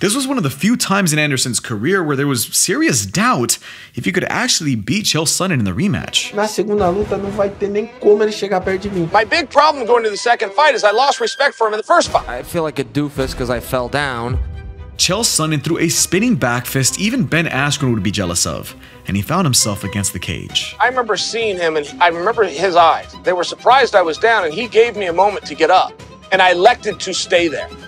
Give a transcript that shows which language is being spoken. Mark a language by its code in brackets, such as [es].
[en] This was one of the few times in Anderson's career where there was serious doubt if he could actually beat Chael Sonnen in the rematch. [pt] Na segunda luta não vai ter nem como ele chegar perto de mim. [en] My big problem going to the second fight is I lost respect for him in the first fight. I feel like a doofus because I fell down. Chael Sonnen threw a spinning back fist even Ben Askren would be jealous of, and he found himself against the cage. I remember seeing him, and I remember his eyes. They were surprised I was down, and he gave me a moment to get up, and I elected to stay there.